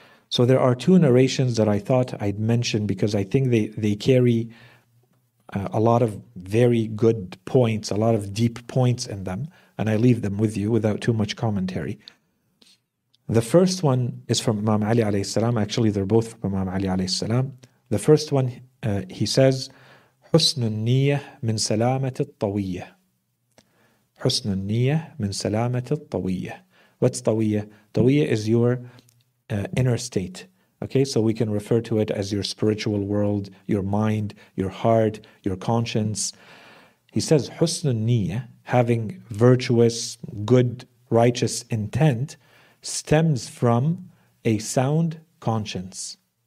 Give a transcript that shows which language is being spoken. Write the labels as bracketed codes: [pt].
[en] So there are two narrations that I thought I'd mention because I think they carry a lot of very good points, a lot of deep points in them, and I leave them with you without too much commentary. The first one is from Imam Ali alayhi salam. Actually, they're both from Imam Ali alayhi salam. The first one, he says, [ar] حسن النية من سلامة الطوية. حسن النية من سلامة الطوية. [en] What's tawiyya? Tawiyya is your inner state. Okay, so we can refer to it as your spiritual world, your mind, your heart, your conscience. He says, husnun niyya, having virtuous, good, righteous intent, stems from a sound conscience.